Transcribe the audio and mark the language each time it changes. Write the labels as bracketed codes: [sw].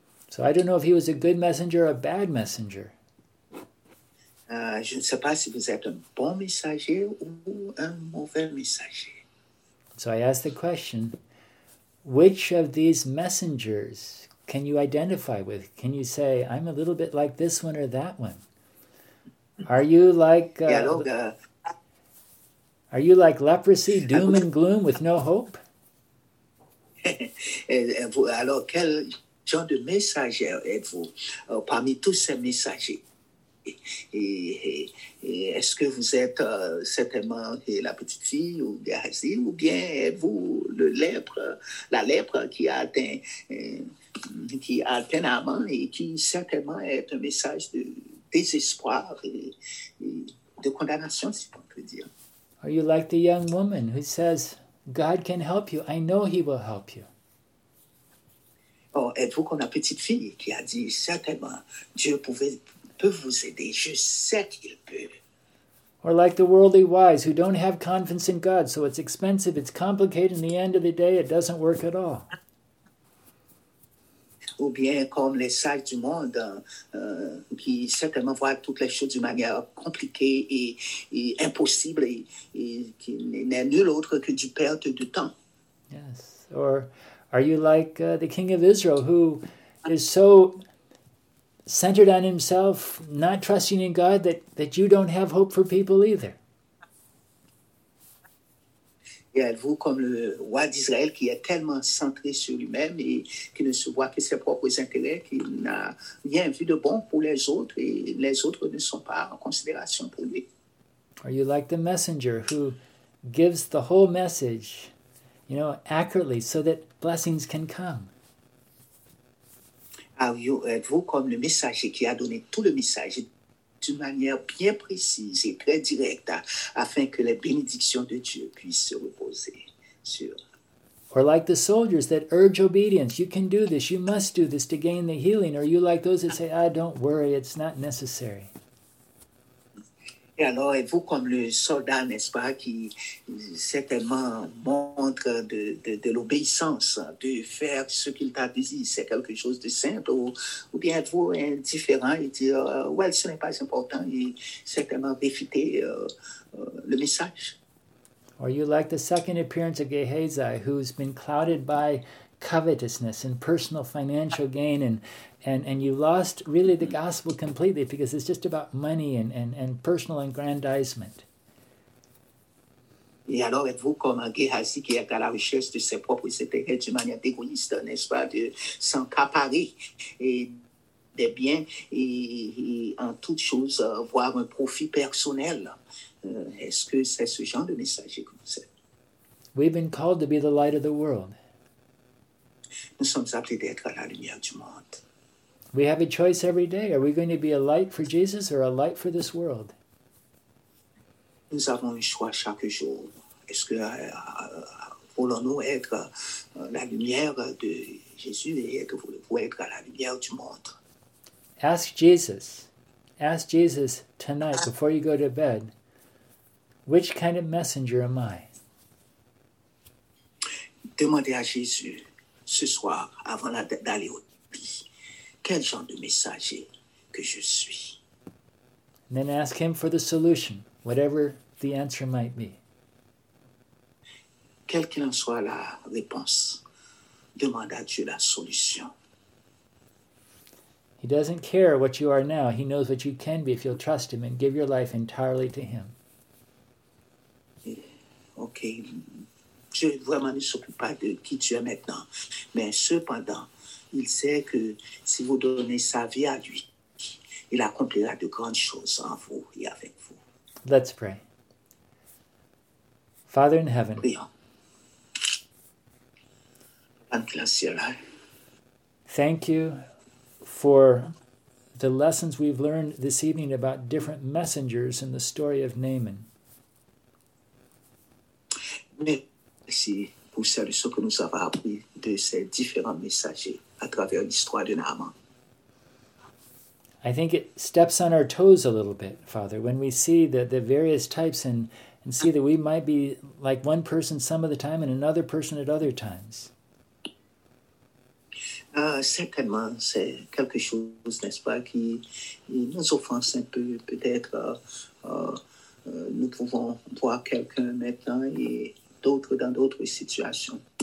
[en] So I don't know if he was a good messenger or a bad messenger. [fr] Je ne sais pas si vous êtes un bon messager ou un mauvais messager. [en] So I ask the question, which of these messengers can you identify with? Can you say, I'm a little bit like this one or that one? Are you like are you like leprosy, doom and gloom with no hope? [fr] Alors, quel genre de messager êtes-vous parmi tous ces messagers? Et est-ce que vous êtes certainement la petite fille ou Gehazi, ou bien êtes-vous la lèpre qui a atteint Naaman et qui certainement est un message de désespoir et de condamnation, si on peut dire? [en] Are you like the young woman who says, God can help you, I know he will help you? [fr] Oh, êtes-vous comme la petite fille qui a dit certainement Dieu peut vous aider, je sais qu'il peut. [en] Or like the worldly wise who don't have confidence in God, so it's expensive, it's complicated, and the end of the day it doesn't work at all. [fr] Ou bien comme les sages du monde qui certainement voient toutes les choses d'une manière compliquée et impossible et qui n'est nul autre que du perte de temps. [en] Yes, or are you like the king of Israel, who is so centered on himself, not trusting in God, that you don't have hope for people either? [fr] Êtes-vous comme le roi d'Israël qui est tellement centré sur lui-même et qui ne se voit que ses propres intérêts, qui n'a rien vu de bon pour les autres et les autres ne sont pas en considération pour lui? [en] Are you like the messenger who gives the whole message, you know, accurately, so that blessings can come? [fr] Êtes-vous comme le messager qui a donné tout le message d'une manière bien précise et très directe afin que les bénédictions de Dieu puissent se reposer sur? [en] Or like the soldiers that urge obedience, you can do this, you must do this to gain the healing, or you like those that say, ah, don't worry, it's not necessary? [fr] Et alors, êtes-vous comme le soldat, n'est-ce pas, qui certainement montre de l'obéissance, de faire ce qu'il t'a dit, c'est quelque chose de simple, ou bien êtes-vous indifférent et dire, well, ce n'est pas important, et certainement réfuter le message? [en] Or you like the second appearance of Gehazi, who's been clouded by covetousness and personal financial gain and you lost really the gospel completely because it's just about money and personal aggrandizement. [fr] Et alors êtes-vous comme un Gehazi qui est à la recherche de ses propres intérêts d'une manière égoïste, n'est-ce pas, de s'accaparer des biens et en toute chose voir un profit personnel? Est-ce que c'est ce genre de messager que vous êtes? [en] We've been called to be the light of the world. [fr] Nous sommes appelés d'être à la lumière du monde. [en] We have a choice every day. Are we going to be a light for Jesus or a light for this world? [fr] Nous avons un choix chaque jour. Est-ce que voulons-nous être la lumière de Jésus et que voulons-nous être à la lumière du monde? [en] Ask Jesus Ask Jesus tonight before you go to bed, which kind of messenger am I? [fr] Demandez à Jésus ce soir avant d'aller au lit, quel genre de messager que je suis. [en] And then ask him for the solution, whatever the answer might be. [fr] Quelle qu'il en soit la réponse, demande à Dieu la solution. [en] He doesn't care what you are now. He knows what you can be if you'll trust him and give your life entirely to him. Okay. [fr] Dieu vraiment ne s'occupe pas de qui tu es maintenant. Mais cependant, il sait que si vous donnez sa vie à lui, il accomplira de grandes choses en vous et avec vous. [en] Let's pray. Father in heaven. [fr] Prions. Père qui est au ciel. [en] Thank you for the lessons we've learned this evening about different messengers in the story of Naaman. [fr] Merci pour ces leçons que nous avons appris de ces différents messagers à travers l'histoire de Naaman. [en] I think it steps on our toes a little bit, Father, when we see the various types and see that we might be like one person some of the time and another person at other times. [fr] Certainement, c'est quelque chose, n'est-ce pas, qui nous offense un peu, peut-être. Nous pouvons voir quelqu'un maintenant et d'autres dans d'autres situations.